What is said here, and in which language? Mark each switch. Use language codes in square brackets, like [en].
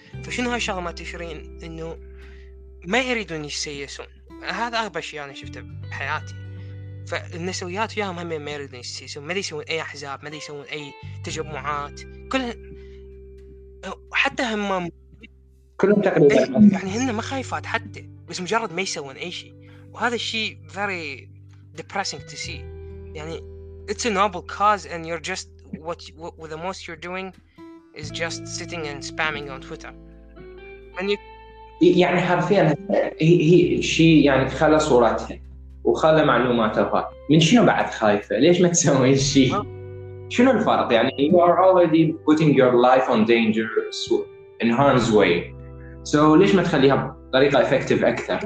[ar] فشنو هاي الشغله مال تشرين انه ما يريدون يسيسون، هذا اغبى شيء انا شفته بحياتي. فالنسويات وياهم هم ما يريدون يسيسون، ما يسوون اي احزاب، ما يسوون اي تجمعات، كل حتى هم كلهم تقريبا يعني هن ما خايفات حتى، بس مجرد ما يسوون اي شيء. وهذا الشيء [en] very depressing to see. يعني it's a noble cause and you're just what the most you're doing is just sitting and spamming on Twitter and you [ar] يعني حرفيا هي شيء يعني خلى صورتها وخلى معلوماتها، من شنو بعد خايفه؟ ليش ما تسوي شيء؟ شنو الفرق؟ يعني [en] you are already putting your life on danger in harm's way. [ar] So ليش ما تخليها بطريقة effective أكثر؟